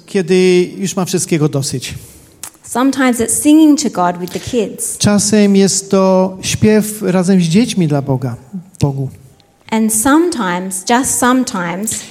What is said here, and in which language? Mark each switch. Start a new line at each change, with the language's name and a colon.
Polish: Kiedy już mam wszystkiego dosyć.
English: Sometimes it's singing to God with the kids.
Polish: Czasem jest to śpiew razem z dziećmi dla Boga, Bogu.
English: And sometimes, just sometimes.